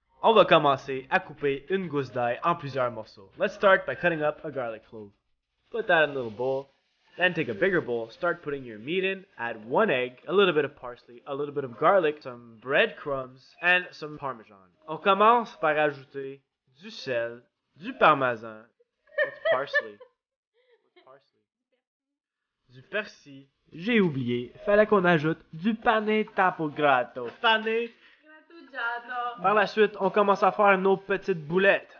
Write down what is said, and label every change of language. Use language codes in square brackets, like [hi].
[fr] On va commencer à couper une gousse d'ail en plusieurs morceaux. [en] Let's start by cutting up a garlic clove. Put that in a little bowl. Then take a bigger bowl, start putting your meat in, add one egg, a little bit of parsley, a little bit of garlic, some breadcrumbs, and some parmesan. [fr] On commence par ajouter du sel, du parmesan, parsley, du persil. J'ai oublié, fallait qu'on ajoute du pane tapograto. [it] Pane grattugiato. [fr] Par la suite, on commence à faire nos petites boulettes.